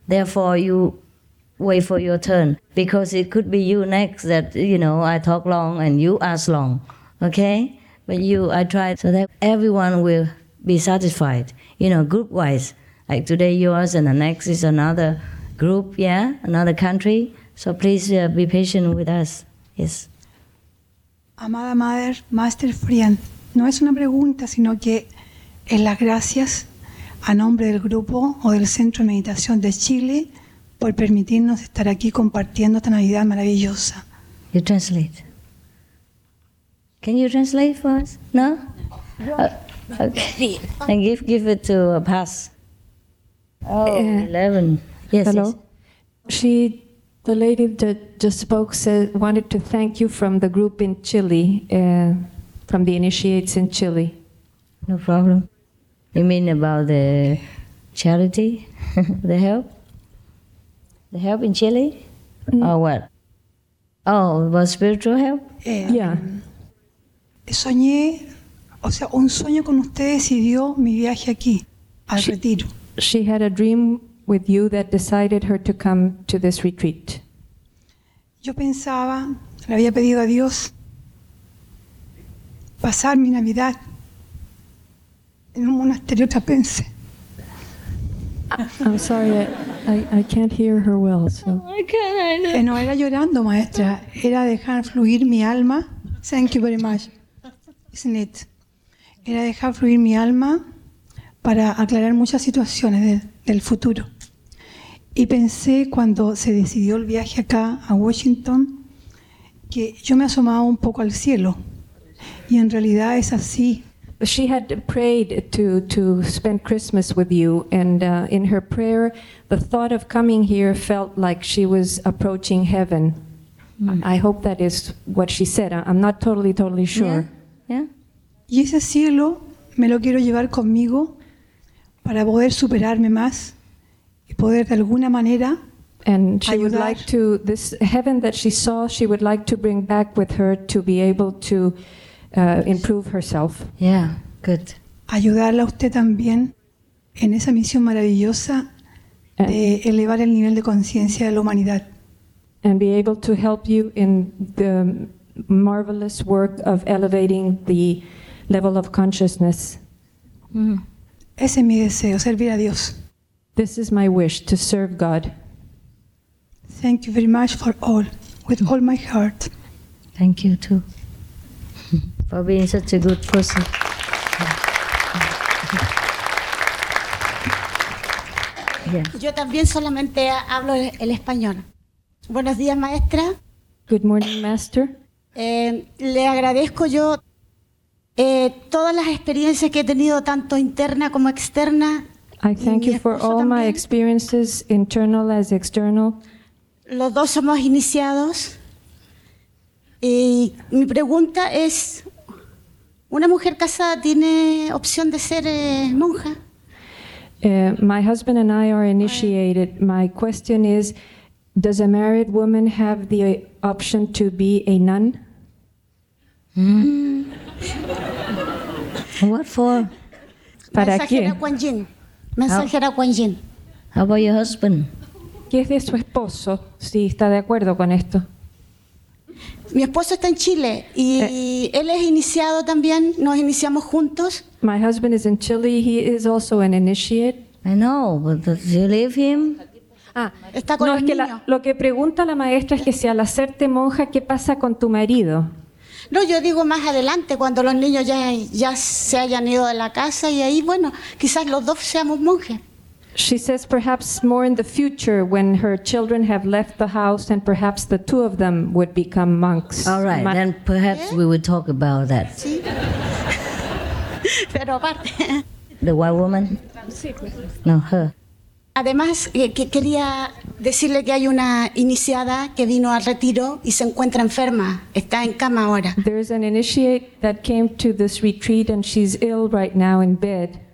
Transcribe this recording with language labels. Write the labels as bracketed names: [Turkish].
[English] Therefore, you wait for your turn, because it could be you next that, you know, I talk long and you ask long, okay? But you, I try so that everyone will be satisfied, you know, group-wise. Like today yours and the next is another group, yeah, another country. So please be patient with us. Yes. [Spanish] Amada Mother, Master Friend, no es una pregunta, sino que es las gracias a nombre del grupo o del Centro de Meditación de Chile por permitirnos estar aquí compartiendo esta Navidad maravillosa. [English] You translate. Can you translate for us? No? Okay. And give it to a pass. Oh, 11. Yes. Hello. Yes. The lady that just spoke said, wanted to thank you from the group in Chile, from the initiates in Chile. No problem. You mean about the charity, the help? The help in Chile? Mm. Or what? Oh, about spiritual help? Yeah. [Spanish] Soñé, o sea, un sueño con ustedes y dio mi viaje aquí, al retiro. [English] She had a dream with you that decided her to come to this retreat. [Spanish] Yo pensaba, le había pedido a Dios pasar mi Navidad en un monasterio trapense. [English] I'm sorry, I can't hear her well, so. I can't, I know. [Spanish] No era llorando, maestra. Era dejar fluir mi alma. [English] Thank you very much. Isn't it? [Spanish] Era dejar fluir mi alma para aclarar muchas situaciones del futuro. Y pensé cuando se decidió el viaje acá a Washington que yo me asomaba un poco al cielo. Y en realidad es así. [English] She had prayed to spend Christmas with you, and in her prayer, the thought of coming here felt like she was approaching heaven. Mm. I hope that is what she said. I'm not totally sure. [Spanish] Yeah. Y ese cielo me lo quiero llevar conmigo para poder superarme más. Poder de alguna manera [English] and she ayudar. Would like to, this heaven that she saw, she would like to bring back with her to be able to improve herself. Yeah, good. [Spanish] Ayudarla a usted también en esa misión maravillosa and, de elevar el nivel de conciencia de la humanidad. [English] And be able to help you in the marvelous work of elevating the level of consciousness. [Spanish] Mm. Ese es mi deseo, servir a Dios. [English] This is my wish, to serve God. Thank you very much for all, with all my heart. Thank you too, for being such a good person. [Spanish] Yeah. Yo también solamente hablo el español. Buenos días, maestra. [English] Good morning, master. [Spanish] Le agradezco yo todas las experiencias que he tenido, tanto interna como externa. [English] I thank you for all my experiences, internal as external. [Spanish] Los dos somos iniciados. Y mi pregunta es, ¿una mujer casada tiene opción de ser monja? [English] My husband and I are initiated. My question is, does a married woman have the option to be a nun? Mm. What for? [Spanish] ¿Para quién? Mensajera Kuan Yin. [English] How about your husband? [Spanish] ¿Qué es de su esposo, si está de acuerdo con esto? Mi esposo está en Chile y él es iniciado también, nos iniciamos juntos. [English] My husband is in Chile, he is also an initiate. I know, but does he leave him? [Spanish] Está con no, es que lo que pregunta la maestra es que si al hacerte monja, ¿qué pasa con tu marido? No, yo digo más adelante, cuando los niños ya se hayan ido de la casa y ahí, bueno, quizás los dos seamos monjes. [English] She says perhaps more in the future when her children have left the house and perhaps the two of them would become monks. All right, then perhaps we would talk about that. [Spanish] Sí. Pero aparte. [English] The white woman? No, her. [Spanish] Además, quería decirle que hay una iniciada que vino al retiro y se encuentra enferma. Está en cama ahora. [English] There is an initiate that came to this retreat and she's ill right now in bed.